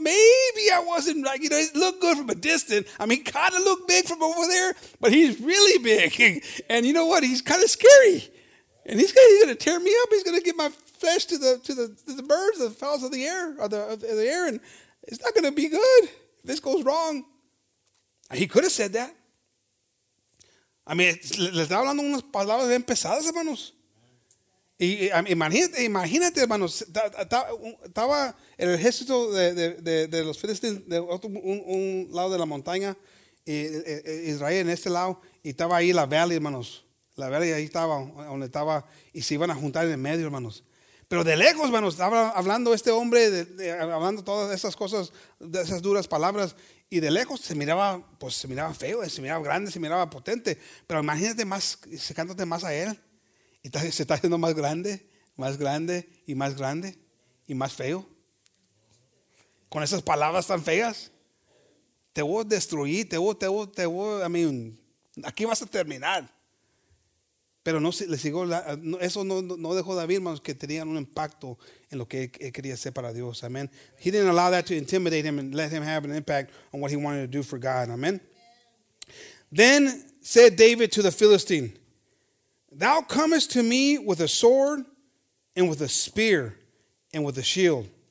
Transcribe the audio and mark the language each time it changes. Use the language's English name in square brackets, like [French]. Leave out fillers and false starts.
[English] Maybe I wasn't like, you know, it looked good from a distance. I mean, kind of looked big from over there, but he's really big. And you know what? He's kind of scary. And he's gonna tear me up. He's gonna give my flesh to the birds, the fowls of the air, or the air, and it's not gonna be good. If this goes wrong. He could have said that. I mean, [Spanish] le está hablando unas palabras bien pesadas, hermanos. Imagínate, hermanos, estaba el ejército de los filisteos de otro un lado de la montaña, Israel en este lado, y estaba ahí la valley, hermanos. La valley ahí estaba, donde estaba, y se iban a juntar en el medio, hermanos. Pero de lejos, hermanos, estaba hablando este hombre, hablando todas esas cosas, de esas duras palabras, y de lejos se miraba feo, se miraba grande, se miraba potente. Pero imagínate más, secándote más a él. Y se está haciendo más grande y más grande y más feo. Con esas palabras tan feas. Te voy a destruir, te voy, [English] I mean, [Spanish] aquí vas a terminar. Pero no, le sigo, eso no dejó David, hermanos, que tenían un impacto en lo que él quería hacer para Dios. Amen. [English] He didn't allow that to intimidate him and let him have an impact on what he wanted to do for God. Amen. Then said David to the Philistine, "Thou comest to me with a sword and with a spear and with a shield.